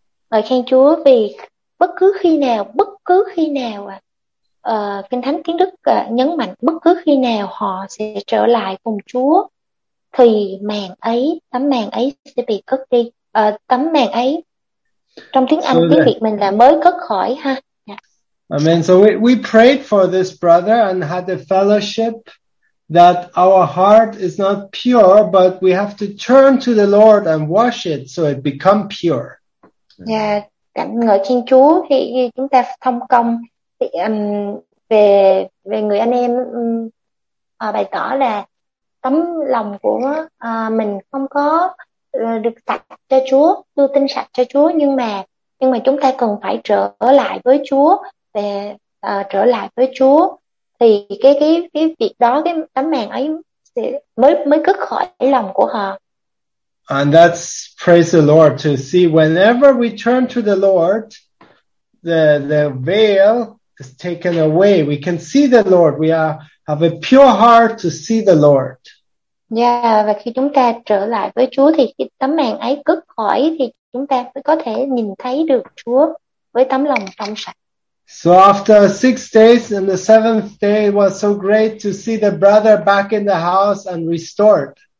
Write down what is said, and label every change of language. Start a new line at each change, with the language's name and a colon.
Vietnamese: Ngợi khen Chúa vì bất cứ khi nào Kinh Thánh tiếng Đức nhấn mạnh bất cứ khi nào họ sẽ trở lại cùng Chúa thì tấm màn ấy sẽ bị cất đi. Tấm màn ấy trong tiếng Anh tiếng Việt mình là mới cất khỏi ha. Amen.
English: So we prayed for this brother and had a fellowship that our heart is not pure, but we have to turn to the Lord and wash it so it become pure.
Vietnamese: Cảm ngợi khen Chúa thì chúng ta thông công thì, về người anh em bày tỏ là tấm lòng của mình không có được sạch cho Chúa, tu tinh sạch cho Chúa, nhưng mà chúng ta cần phải trở lại với Chúa. Trở lại với Chúa thì cái việc đó, cái tấm màn ấy mới cất khỏi lòng của họ.
English: And that's praise the Lord to see whenever we turn to the Lord, the veil is taken away. We can see the Lord. We have a pure heart to see the Lord.
Vietnamese: Yeah, và khi chúng ta trở lại với Chúa thì cái tấm màn ấy cất khỏi thì chúng ta mới có thể nhìn thấy được Chúa với tấm lòng trong sạch.
English: So after 6 days and the 7th day, it was so great to see the brother back in the house and restored.